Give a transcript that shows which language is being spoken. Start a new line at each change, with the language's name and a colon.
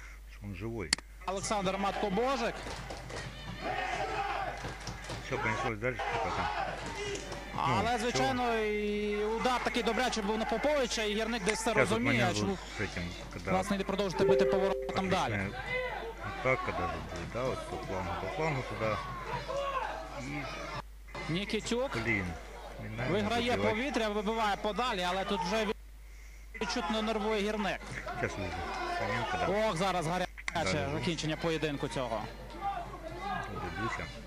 Ukrainian: Що він живий. Олександр Матко-Божик. Все, понеслось далі, показав. Але, звичайно, і удар такий добрячий був на Поповича, і Гірник десь це розуміє, що власне йде продовжити бити поворотом далі.
Russian: Так, когда же будет, да, вот по плану туда.
Ukrainian: И... Нікітюк. Блін. Виграє повітря, вибиває подалі, але тут вже відчутно нервує Гірник. Зараз вже. Фомінка, да. Ох, зараз гаряче закінчення поєдинку цього. Дивлюся.